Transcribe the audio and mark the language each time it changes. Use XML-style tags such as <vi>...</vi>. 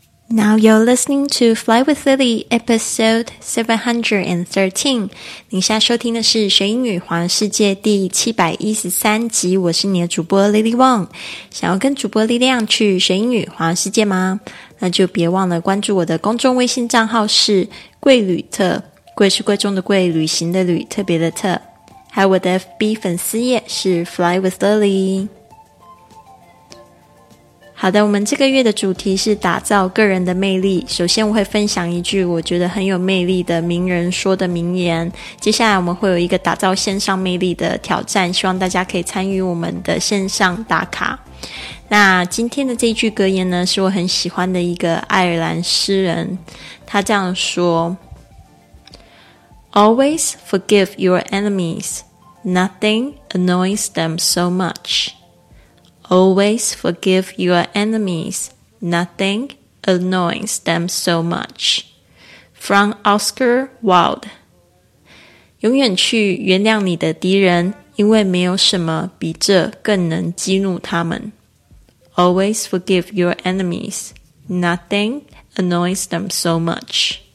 <en>Now you're listening to Fly with Lily, episode 713.</en> <zh>你现在收听的是《学英语环世界》第713集。我是你的主播 Lily Wong。想要跟主播力量去学英语环世界吗？那就别忘了关注我的公众微信账号是贵旅特，贵是贵重的贵，旅行的旅，特别的特。还有我的 FB 粉丝页是 Fly with Lily。好的，我们这个月的主题是打造个人的魅力。首先我会分享一句我觉得很有魅力的名人说的名言，接下来我们会有一个打造线上魅力的挑战，希望大家可以参与我们的线上打卡。那今天的这句格言呢，是我很喜欢的一个爱尔兰诗人，他这样说：</zh> <en>Always forgive your enemies, nothing annoys them so muchAlways forgive your enemies. Nothing annoys them so much. From Oscar Wilde.</en> <zh>永远去原谅你的敌人，因为没有什么比这更能激怒他们。</zh> <en>Always forgive your enemies. Nothing annoys them so much.</en>